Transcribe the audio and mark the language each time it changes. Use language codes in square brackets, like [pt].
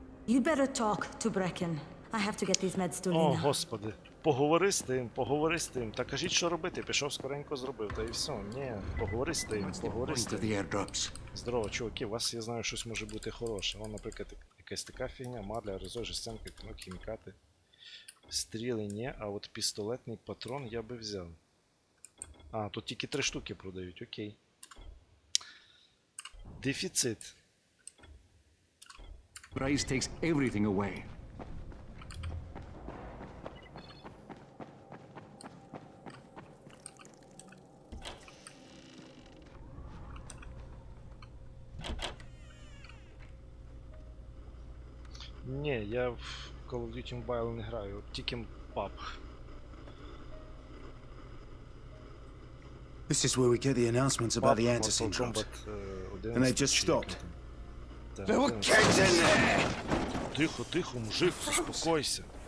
[en] You'd better talk to Брекен. I have to get these meds to Lina. [uk] О, господи. Поговори з тим. Та кажіть, що робити. Пішов скоренько зробив. Та і все. Ні, поговори з тим. Здорово, чуваки. У вас, я знаю, щось може бути хороше. Вон, наприклад, якась така фігня. Марля, резой, жестянка, кінок, хімікати. Стріли, ні. А от пістолетний патрон я би взяв. А, тут тільки 3 штуки продають, окей. Дефіцит. [en] Price takes everything away. [uk] Ні, я в Call of Duty Mobile не граю, тільки PUBG. [en] This is where we get the announcements about the antizen drops. And they just stopped. There were kids in there! [ru] Тихо, тихо, мужик, успокойся.